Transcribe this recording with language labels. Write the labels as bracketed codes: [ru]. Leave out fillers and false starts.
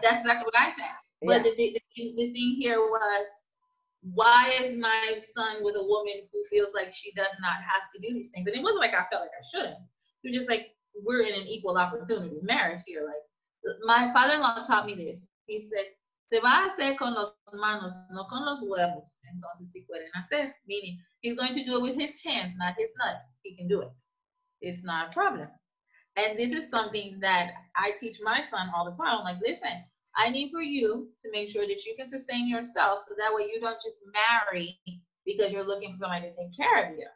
[en] That's exactly what I said. But the thing here was, why is my son with a woman who feels like she does not have to do these things? And it wasn't like I felt like I shouldn't. It was just like, we're in an equal opportunity marriage here. Like, my father-in-law taught me this. He said, [es] se va a hacer con los manos, no con los huevos. Entonces, si pueden hacer. [en] Meaning, he's going to do it with his hands, not his nut. He can do it. It's not a problem. And this is something that I teach my son all the time. I'm like, listen, I need for you to make sure that you can sustain yourself so that way you don't just marry because you're looking for somebody to take care of you.